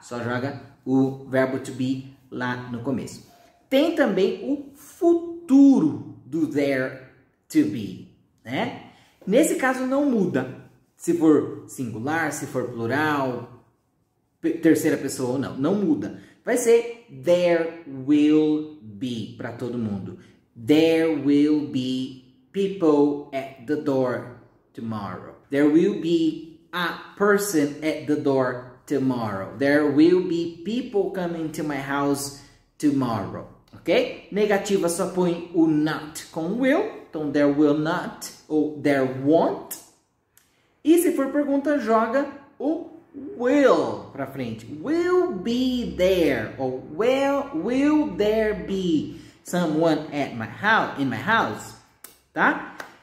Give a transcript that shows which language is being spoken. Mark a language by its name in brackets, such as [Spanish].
[Portuguese] Só joga o verbo to be lá no começo. Tem também o futuro do there to be, né? Nesse caso não muda. Se for singular, se for plural, terceira pessoa ou não, não muda. Vai ser [English] there will be [Portuguese] para todo mundo. [English] There will be people at the door tomorrow. There will be a person at the door tomorrow. There will be people coming to my house tomorrow. [Portuguese] Ok? Negativa só põe o not com will. [English] Então there will not ou there won't. [Portuguese] E se for pergunta, joga o will para frente. [English] Will be there ou will there be someone at my house, in my house, tá?